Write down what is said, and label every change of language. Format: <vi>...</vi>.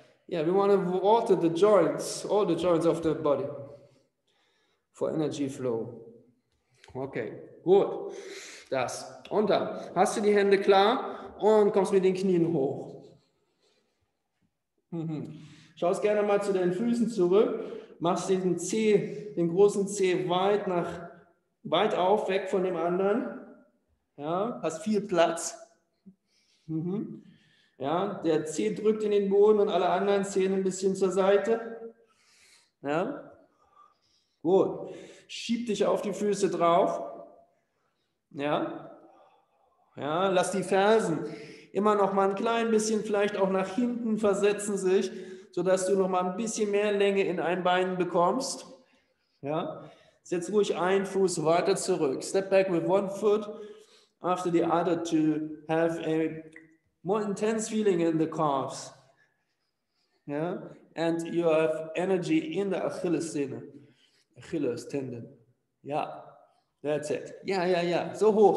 <en>Yeah, we want to water the joints, all the joints of the body for energy flow.</en> <de>Okay, gut. Das. Und dann hast du die Hände klar und kommst mit den Knien hoch. Mhm. Schaust gerne mal zu deinen Füßen zurück. Machst den Zeh, den großen Zeh weit auf, weg von dem anderen. Ja, hast viel Platz. Mhm. Ja, der Zeh drückt in den Boden und alle anderen Zehen ein bisschen zur Seite. Ja. Gut. Schieb dich auf die Füße drauf. Ja. Ja, lass die Fersen immer noch mal ein klein bisschen vielleicht auch nach hinten versetzen sich, sodass du noch mal ein bisschen mehr Länge in ein Bein bekommst. Ja, setz ruhig einen Fuß weiter zurück.</de> <en>Step back with one foot after the other to have a more intense feeling in the calves. Ja, and you have energy in the Achillessehne. Achilles tendon. Ja. That's it. Ja.</en> <de>So hoch.</de>